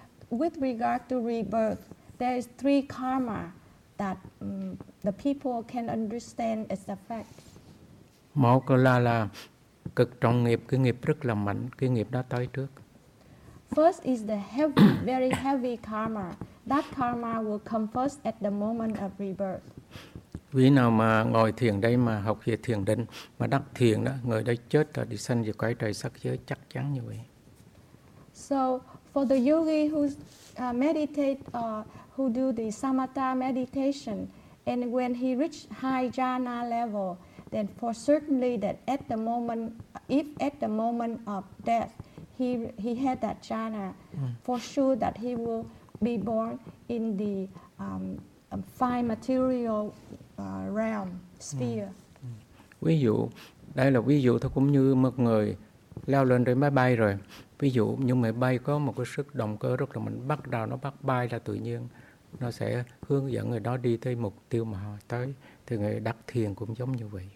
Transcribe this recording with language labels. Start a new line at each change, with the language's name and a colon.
English: With regard to rebirth, there is three karma that the people can understand its effect.
Vietnamese: Một là cực trọng nghiệp, cái nghiệp rất là mạnh, cái nghiệp đó tới trước.
English: First is the heavy, very heavy karma. That karma will come first at the moment of rebirth.
Vietnamese: Vì nào mà ngồi thiền đây mà học về thiền định mà đắc thiền đó, người đó chết rồi đi sanh về cõi trời sắc giới chắc chắn như vậy.
English: So for the yogi who meditate, who do the samatha meditation, and when he reach high jhana level, then for certainly that at the moment, if at the moment of death, he had that jhana, for sure that he will be born in the fine material realm sphere.
Vietnamese: Ví dụ Đây là ví dụ thôi, cũng như một người leo lên trên máy bay rồi. Ví dụ như máy bay có một cái sức động cơ rất là mạnh, bắt đầu nó bắt bay là tự nhiên nó sẽ hướng dẫn người đó đi tới mục tiêu mà họ tới. Thì người đắc thiền cũng giống như vậy.